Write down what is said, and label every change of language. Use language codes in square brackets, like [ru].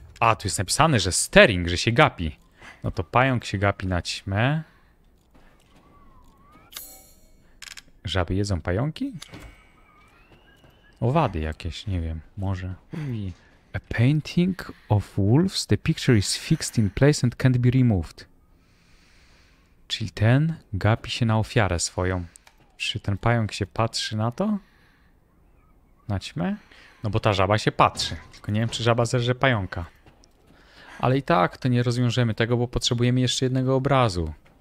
[pl] A, tu jest napisane, że staring, że się gapi. No to pająk się gapi na ćmę. Żaby jedzą pająki? Owady jakieś, nie wiem, może. [en] A painting of wolves. The picture is fixed in place and can't be removed. [pl] Czyli ten gapi się na ofiarę swoją. Czy ten pająk się patrzy na to? Na ćmę? No bo ta żaba się patrzy. Tylko nie wiem, czy żaba zerze pająka. Ale i tak to nie rozwiążemy tego, bo potrzebujemy jeszcze jednego obrazu.